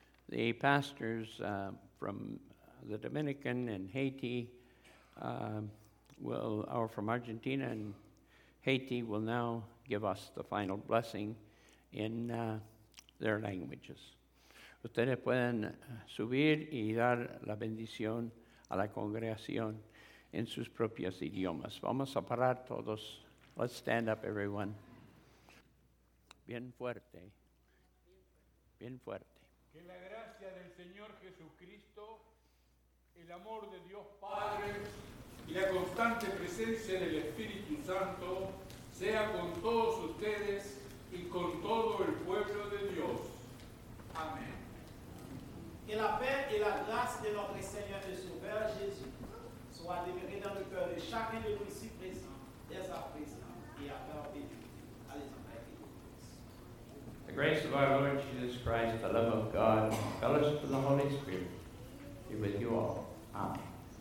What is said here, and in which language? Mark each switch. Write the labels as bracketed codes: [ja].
[en] The pastors from the Dominican and Haiti from Argentina and Haiti will now give us the final blessing in their languages. [es] Ustedes pueden subir y dar la bendición a la congregación en sus propios idiomas. Vamos a parar todos. [en] Let's stand up, everyone. [es] Bien fuerte. Bien fuerte. Que la gracia del Señor Jesucristo, el amor de Dios Padre y la constante presencia del Espíritu Santo sea con todos ustedes y con todo el pueblo de Dios. Amén. [fr] Que la paix et la grâce de notre Seigneur et Sauveur Jésus soient demeurées dans le cœur de chacun de nous ici présents, dès à présent et à perpétuité. Allez en paix et vous. [en] The grace of our Lord Jesus Christ, the love of God, the fellowship of the Holy Spirit, be with you all. Amen.